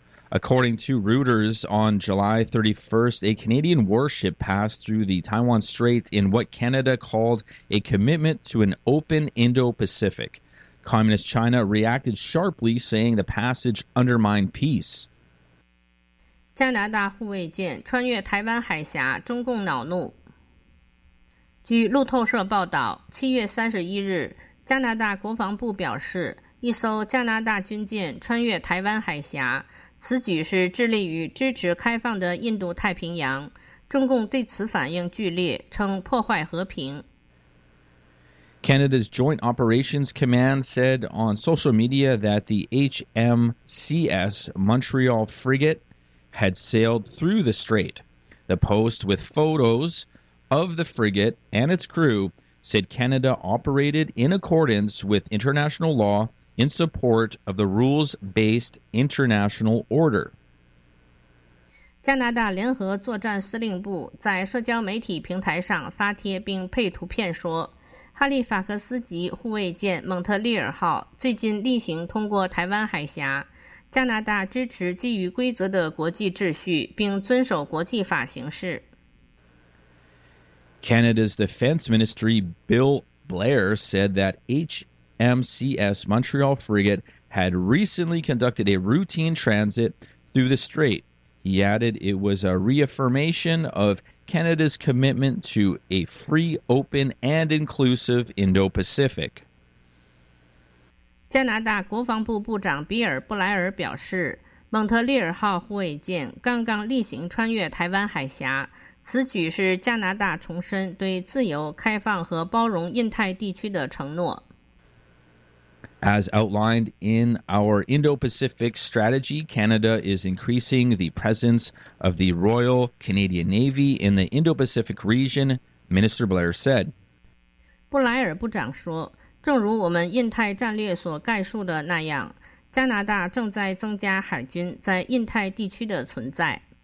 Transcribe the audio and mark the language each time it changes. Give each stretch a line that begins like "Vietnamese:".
English: According to Reuters, on July 31st, a Canadian warship passed through the Taiwan Strait in what Canada called a commitment to an open Indo-Pacific. Communist China reacted sharply, saying the passage undermined peace.
Chinese: 加拿大护卫舰穿越台湾海峡，中共恼怒。据路透社报道，7月31日，加拿大国防部表示，一艘加拿大军舰穿越台湾海峡，此举是致力于支持开放的印度太平洋，中共对此反应剧烈，称破坏和平。
English: Canada's Joint Operations Command said on social media that the HMCS Montreal frigate had sailed through the strait. The post with photos of the frigate and its crew said Canada operated in accordance with international law in support of the rules-based international order.
Chinese: 加拿大联合作战司令部在社交媒体平台上发帖并配图片说，哈利法克斯级护卫舰蒙特利尔号最近例行通过台湾海峡，加拿大支持基于规则的国际秩序并遵守国际法行事。
English: Canada's Defense Ministry Bill Blair said that HMCS Montreal frigate had recently conducted a routine transit through the strait. He added it was a reaffirmation of Canada's commitment to a free, open, and inclusive Indo-Pacific.
Chinese: 加拿大国防部部长比尔·布莱尔表示，蒙特利尔号护卫舰刚刚例行穿越台湾海峡，此举是加拿大重申对自由、开放和包容印太地区的承诺。
English: As outlined in our Indo-Pacific strategy, Canada is increasing the presence of the Royal Canadian Navy in the Indo-Pacific region, Minister Blair said.
Chinese: 布莱尔部长说，正如我们印太战略所概述的那样，加拿大正在增加海军在印太地区的存在。